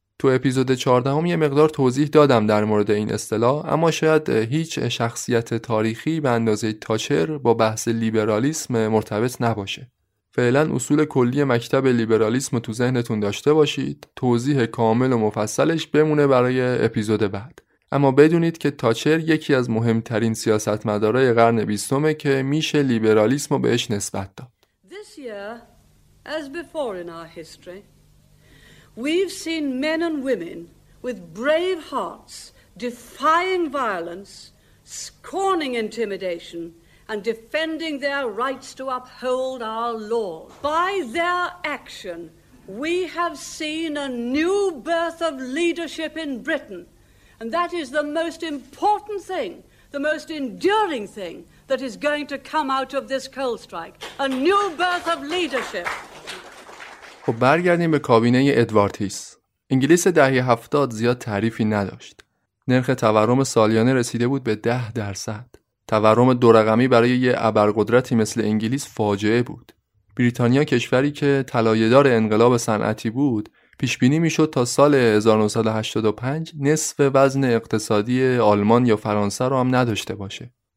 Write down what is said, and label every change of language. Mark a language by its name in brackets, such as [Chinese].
[Persian] تو اپیزود 14 یه مقدار توضیح دادم در مورد این اصطلاح، اما شاید هیچ شخصیت تاریخی به اندازه تاچر با بحث لیبرالیسم مرتبط نباشه. فعلا اصول کلی مکتب لیبرالیسم تو ذهنتون داشته باشید، توضیح کامل و مفصلش بمونه برای اپیزود بعد. اما بدونید که تاچر یکی از مهمترین سیاستمدارای قرن 20 که میشه لیبرالیسم رو بهش نسبت داد. [English] This year, as before in our history, we've seen men and women with brave hearts defying violence, scorning intimidation, and defending their rights to uphold our laws. By their action, we have seen a new birth of leadership in Britain, and that is the most important thing, the most enduring thing that is going to come out of this coal strike. A new birth of leadership. [Persian] خب برگردیم به کابینه ادوارد هیس. انگلیس دهه 70 زیاد تعریفی نداشت. نرخ تورم سالیانه رسیده بود به 10%. تورم دو رقمی برای یه ابرقدرتی مثل انگلیس فاجعه بود. بریتانیا کشوری که طلایه‌دار انقلاب صنعتی بود، پیش بینی میشد تا سال 1985 نصف وزن اقتصادی آلمان یا فرانسه رو هم نداشته باشه.